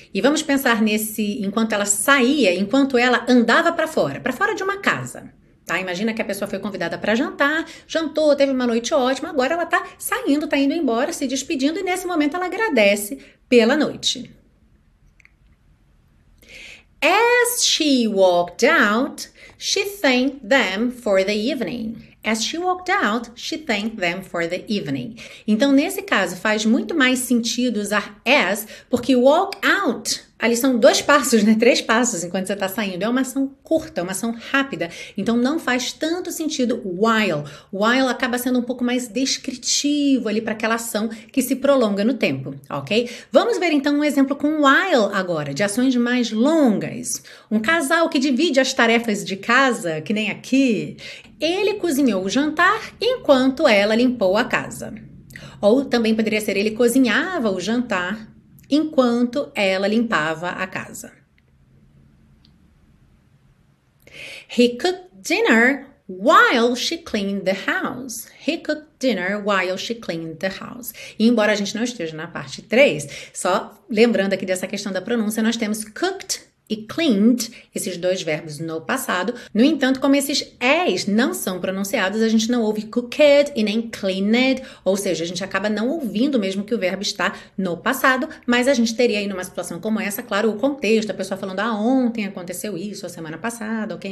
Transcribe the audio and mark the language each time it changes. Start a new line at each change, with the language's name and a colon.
Portuguese: E vamos pensar nesse enquanto ela saía, enquanto ela andava para fora de uma casa. Tá? Imagina que a pessoa foi convidada para jantar, jantou, teve uma noite ótima, agora ela está saindo, está indo embora, se despedindo, e nesse momento ela agradece pela noite.
English: As she walked out, she thanked them for the evening. As she walked out, she thanked them for the evening.
Portuguese: Então, nesse caso, faz muito mais sentido usar as, porque
English: walk out,
Portuguese: ali são dois passos, né? Três passos enquanto você está saindo. É uma ação curta, uma ação rápida. Então, não faz tanto sentido while. While acaba sendo um pouco mais descritivo ali para aquela ação que se prolonga no tempo, ok? Vamos ver, então, um exemplo com while agora, de ações mais longas. Um casal que divide as tarefas de casa, que nem aqui. Ele cozinhou o jantar enquanto ela limpou a casa. Ou também poderia ser ele cozinhava o jantar enquanto ela limpava a casa.
English: He cooked dinner while she cleaned the house. He cooked dinner while she cleaned the house.
Portuguese: E embora a gente não esteja na parte 3, só lembrando aqui dessa questão da pronúncia, nós temos cooked e cleaned, esses dois verbos no passado. No entanto, como esses es não são pronunciados, a gente não ouve cooked e nem cleaned, ou seja, a gente acaba não ouvindo mesmo que o verbo está no passado, mas a gente teria aí numa situação como essa, claro, o contexto, a pessoa falando, ah, ontem aconteceu isso, a semana passada, ok?